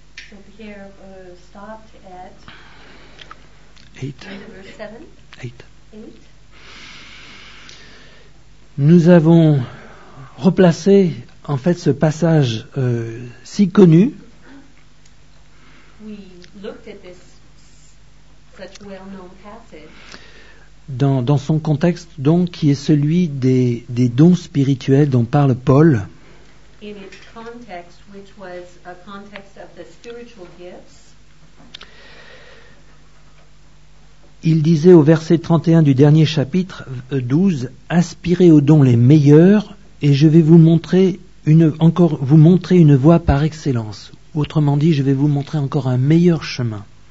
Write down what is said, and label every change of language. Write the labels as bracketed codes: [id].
[en] So Pierre, stopped at 8. 8. [fr] Nous avons replacé en fait ce passage si connu. [en] We looked at this such well-known passage. [fr] Dans son contexte, donc, qui est celui des dons spirituels dont parle Paul. [en] In its context, which was a context of the spiritual gifts. [fr] Il disait au verset 31 du dernier chapitre 12, « Aspirez aux dons les meilleurs, et je vais vous montrer une voie par excellence. » Autrement dit, je vais vous montrer encore un meilleur chemin.